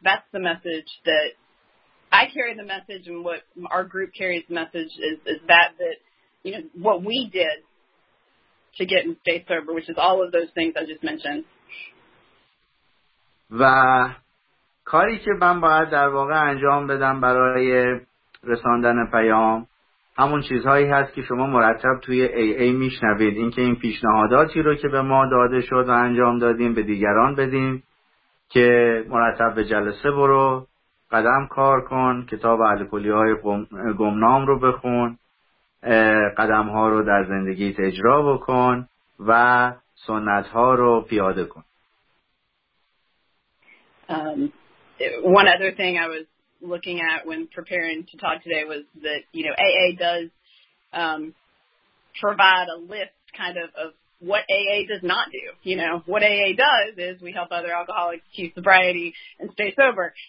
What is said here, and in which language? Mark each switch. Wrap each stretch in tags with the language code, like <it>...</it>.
<en>That's the message that I carry the message, and what our group carries the message is that, you know, what we did to get and stay sober, which is all of those things I just mentioned.</en> <fa>و کاری که من باید در واقع انجام بدم برای رساندن پیام همون چیزهایی هست که شما مرتب توی AA میشنوید، اینکه این پیشنهاداتی رو که به ما داده شد و انجام دادیم به دیگران بدیم که مرتب به جلسه برو، قدم کار کن، کتاب الکلی‌های گمنام رو بخون، قدم‌ها رو در زندگیت اجرا بکن و سنت‌ها رو پیاده کن.</fa> <en>One other thing I was looking at when preparing to talk today was that, you know, AA does provide a list kind of what AA does not do. You know, what AA does is we help other alcoholics achieve sobriety and stay sober.</en>